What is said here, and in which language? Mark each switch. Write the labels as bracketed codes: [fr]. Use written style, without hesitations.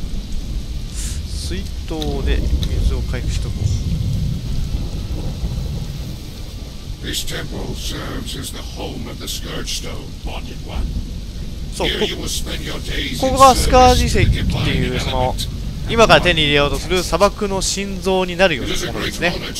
[ja] 水筒で水を回復しとこう。 [en] This temple serves as the home of the Scourge Stone, Bonded One. [ja] そう、ここがスカージ石っていう、その今から手に入れようとする砂漠の心臓になるようなものですね。